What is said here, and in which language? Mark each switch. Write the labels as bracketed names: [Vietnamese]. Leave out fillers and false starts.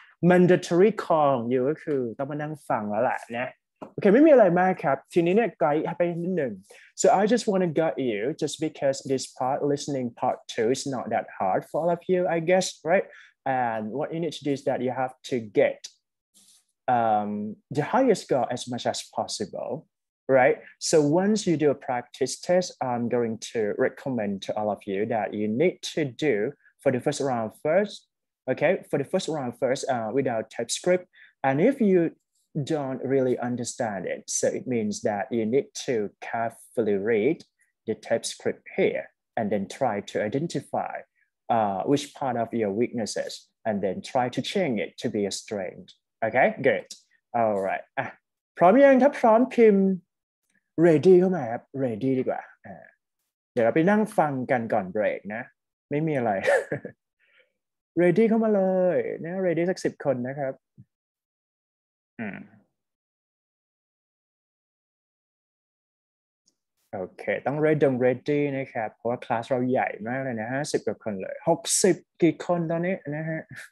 [English] mandatory call [Thai] อยู่ก็คือต้องมานั่งฟังแล้วแหละนะโอเคไม่มีอะไรมากครับทีนี้เนี่ยไกด์ไปนิดหนึ่ง [English] so I just want to guide you just because this part listening part 2 is not that hard for all of you I guess right and what you need to do is that you have to get the highest score as much as possible. Right. So once you do a practice test, I'm going to recommend to all of you that you need to do for the first round first. Okay, for the first round first, without TypeScript. And if you don't really understand it, so it means that you need to carefully read the TypeScript here and then try to identify which part of your weaknesses and then try to change it to be a strength. Okay, good. All right. [Thai] พร้อมยังครับพร้อมพิมพ์ ready เข้ามาครับ ready ดีกว่าเดี๋ยวเราไปนั่งฟังกันก่อนเบรกนะไม่มีอะไร ready เข้ามาเลยนะ ready สัก10คนนะครับโอเคต้อง ready นะครับเพราะว่าคลาสเราใหญ่มากเลยนะฮะ10กว่าคนเลย60กี่คนตอนนี้นะฮะ